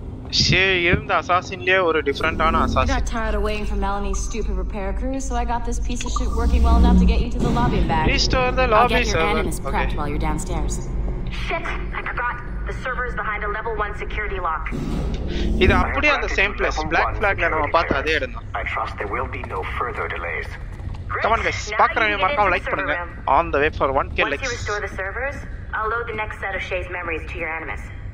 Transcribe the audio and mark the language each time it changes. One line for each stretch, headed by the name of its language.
English: She isn't the assassin, she's a different assassin. I got tired of waiting for Melanie's stupid repair crew, so I got this piece of shit working well enough to get you to the lobby back. Restore the lobby server. I'll get your animus prepped while you're downstairs. Shit, I forgot. The server is behind a level 1 security lock.
Tamil: இது அப்படியே அந்த same place Black Flag-ல நாம பார்த்த அதே இடம்.
English: I trust there will be no further delays. Come on guys,
Tamil: பாக்குறவங்க மறக்காம like பண்ணுங்க.
English: On the way for 1k likes. Once you restore the servers, I'll load the next set of Shay's memories to your animus.